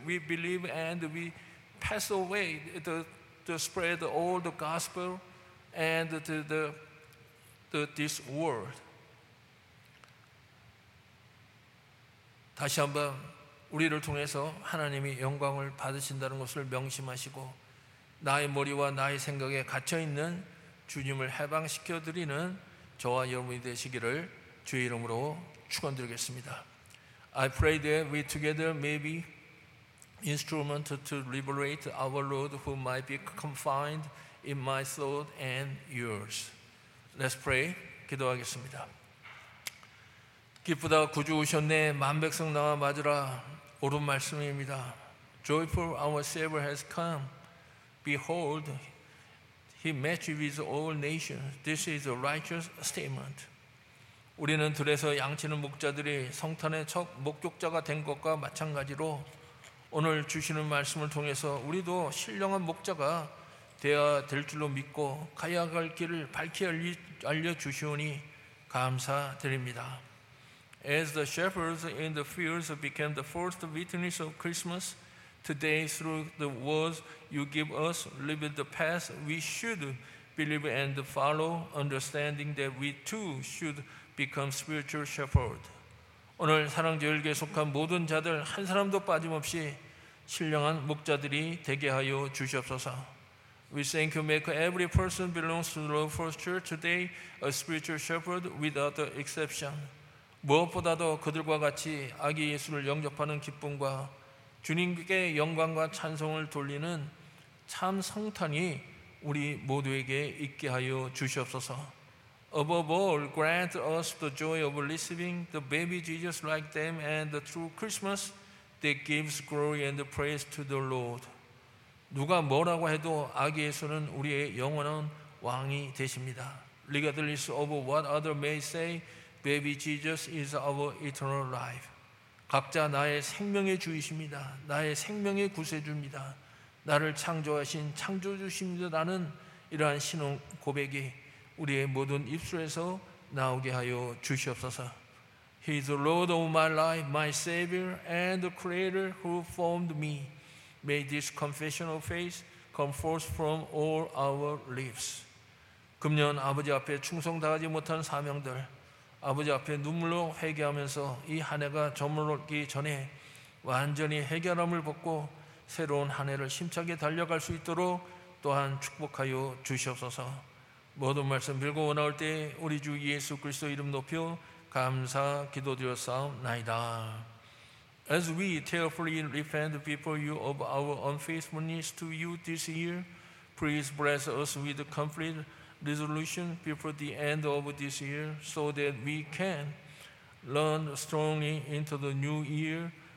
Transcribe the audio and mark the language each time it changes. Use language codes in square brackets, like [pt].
[en] We believe and we pass away to spread all the gospel and to this world. [ko] 다시 한번. 우리를 통해서 하나님이 영광을 받으신다는 것을 명심하시고 나의 머리와 나의 생각에 갇혀있는 주님을 해방시켜드리는 저와 여러분이 되시기를 주의 이름으로 축원드리겠습니다. [en] I pray that we together may be instrument to liberate our Lord who might be confined in my thought and yours. Let's pray. [ko] 기도하겠습니다. 기쁘다 구주 오셨네 만백성 나와 맞으라. 옳은 말씀입니다. [en] Joyful our Savior has come. Behold, he met with all nations. This is a righteous statement. [ko] 우리는 들에서 양치는 목자들이 성탄의 첫 목격자가 된 것과 마찬가지로 오늘 주시는 말씀을 통해서 우리도 신령한 목자가 되어야 될 줄로 믿고 가야 할 길을 밝히 알려주시오니 감사드립니다. [en] As the shepherds in the fields became the first witness of Christmas, today through the words you give us, live the path we should believe and follow, understanding that we too should become spiritual shepherds. [ko] 오늘 사랑제일교회에 속한 모든 자들 한 사람도 빠짐없이 신령한 목자들이 되게 하여 주시옵소서. [en] We thank you, make every person belongs to the first church today a spiritual shepherd without exception. [ko] 무엇보다도 그들과 같이 아기 예수를 영접하는 기쁨과 주님께 영광과 찬송을 돌리는 참 성탄이 우리 모두에게 있게 하여 주시옵소서. [en] Above all, grant us the joy of receiving the baby Jesus like them and the true Christmas that gives glory and praise to the Lord. [ko] 누가 뭐라고 해도 아기 예수는 우리의 영원한 왕이 되십니다. [en] Regardless of what others may say, baby Jesus is our eternal life. [ko] 각자 나의 생명의 주이십니다. 나의 생명의 구세주입니다. 나를 창조하신 창조주십니다라는 이러한 신앙 고백이 우리의 모든 입술에서 나오게 하여 주시옵소서. [en] He is the Lord of my life, my Savior, and the Creator who formed me. May this confession of faith come forth from all our lips. [ko] 금년 아버지 앞에 충성 다하지 못한 사명들, 아버지 앞에 눈물로 회개하면서 이 한 해가 저물기 전에 완전히 해결함을 벗고 새로운 한 해를 힘차게 달려갈 수 있도록 또한 축복하여 주시옵소서. 모든 말씀 빌고 원하올 때 우리 주 예수 그리스도 이름 높여 감사 기도드렸사옵나이다. [en] As we tearfully repent before you of our unfaithfulness to you this year, please bless us with complete resolution before the end of this year so that we can learn strongly into the new year.